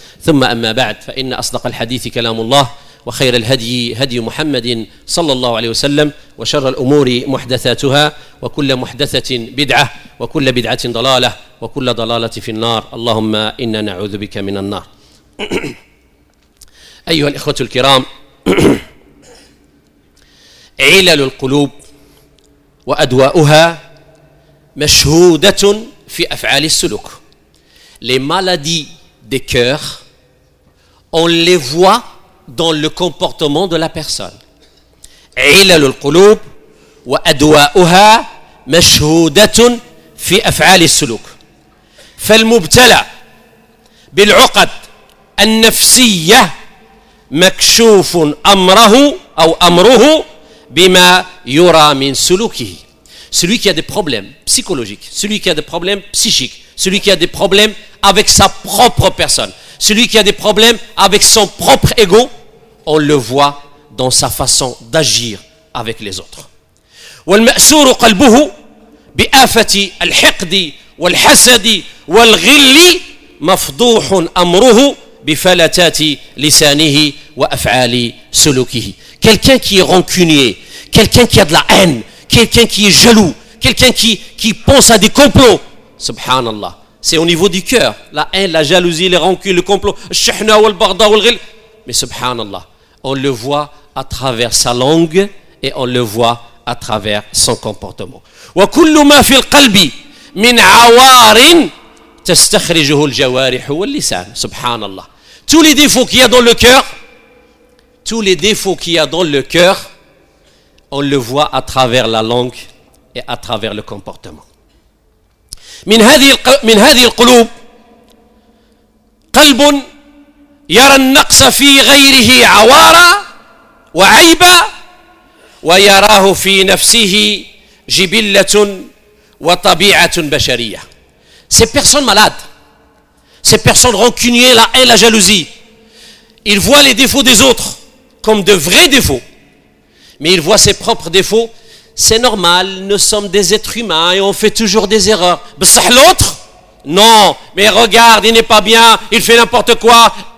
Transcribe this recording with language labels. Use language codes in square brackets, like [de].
[ar] ثم أما بعد، فإن أصدق الحديث كلام الله وخير الهدي هدي محمد صلى الله عليه وسلم، وشر الأمور محدثاتها وكل محدثة بدعة وكل بدعة ضلالة وكل ضلالة في النار، اللهم إنا نعوذ بك من النار. أيها الإخوة الكرام، علل القلوب وأدواؤها مشهودة في أفعال السلوك. [fr] Les maladies des cœurs, on les voit dans le comportement de la personne. [ar] علل القلوب وأدواؤها مشهودة في أفعال السلوك. فالمبتلى بالعقد النفسية مكشوف أمره أو أمره بما يرى من سلوكه. [fr] Celui qui a des problèmes psychologiques, celui qui a des problèmes psychiques, celui qui a des problèmes avec sa propre personne, celui qui a des problèmes avec son propre ego, on le voit dans sa façon d'agir avec les autres. [ar] والمأسور قلبه بآفة الحقد والحسد والغل مفضوح أمره بفلتات لسانه وأفعال سلوكه. [fr] Quelqu'un qui est rancunier, quelqu'un qui a de la haine, quelqu'un qui est jaloux, quelqu'un qui pense à des complots. Subhanallah. C'est au niveau du cœur. La haine, la jalousie, les rancunes, le complot. [ar] الشحنة والبغضاء والغل. [fr] Mais subhanallah, on le voit à travers sa langue et on le voit à travers son comportement. [ar] وكل ما في القلب من عوار تستخرجه الجوارح واللسان. Subhanallah. [fr] Tous les défauts qu'il y a dans le cœur, tous les défauts qu'il y a dans le cœur, on le voit à travers la langue et à travers le comportement. [ar] من هذه القلوب قلب يرى النقص في غيره عوارا وعيبا ويراه في نفسه جبلة وطبيعة بشرية. [fr] Ces personnes malades, ces personnes rancuniers, la haine, la jalousie, ils voient les défauts des autres comme de vrais défauts, mais ils voient ses propres défauts. C'est normal, nous sommes des êtres humains et on fait toujours des erreurs. Bessah l'autre ? Non, mais regarde, il n'est pas bien, il fait n'importe quoi.